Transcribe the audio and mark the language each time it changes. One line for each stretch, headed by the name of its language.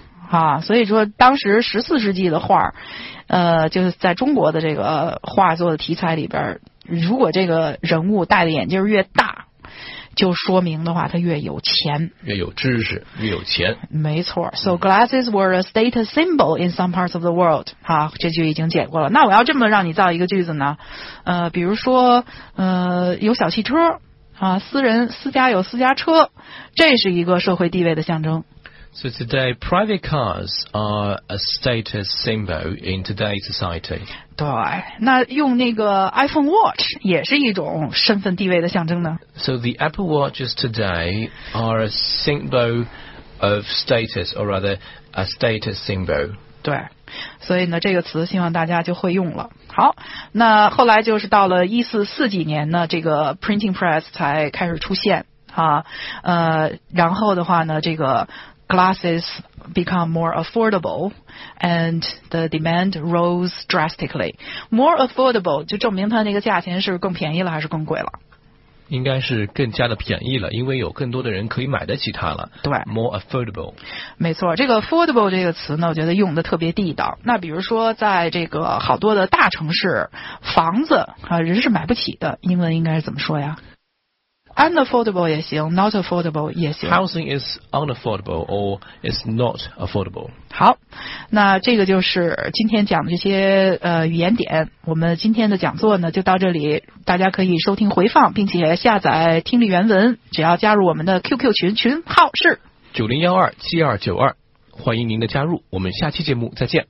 Chinese: 啊，所以说当时十四世纪的画，就是在中国的这个画作的题材里边，如果这个人物戴的眼镜越大，就说明的话他越有钱，越有知识，越有钱。没错
English: ，So glasses were a status symbol in some parts of the world。
Chinese: 好，这句已经解过了。那我要这么让你造一个句子呢？比如说，有小汽车啊，私家有私家车，这是一个社会地位的象征。
English: So today, private cars are a status symbol in today's society.
Chinese: 对，那用那个 iPhone Watch 也是一种身份地位的象征呢。
English: So the Apple Watches today are a symbol of status, or rather, a status symbol.
Chinese: 对，所以呢，这个词希望大家就会用了。好，那后来就是到了1440几年呢，这个 printing press 才开始出现啊。然后的话呢，这个
English: glasses become more affordable and the demand rose drastically.
Chinese: More affordable 就证明它那个价钱是更便宜了还是更贵了？应该是更加的便宜了，因为有更多的人可以买得起它了。对，
English: more affordable.
Chinese: 没错，这个 affordable 这个词呢，我觉得用的特别地道。那比如说在这个好多的大城市，房子啊，人是买不起的，英文应该是怎么说呀？ Unaffordable 也行 ，
English: not affordable
Chinese: 也行。
English: Housing is unaffordable or is not affordable.
Chinese: 好，那这个就是今天讲的这些语言点。我们今天的讲座呢就到这里，大家可以收听回放，并且下载听力原文。只要加入我们的 QQ 群，群号是 90127292，欢迎您的加入。我们下期节目再见。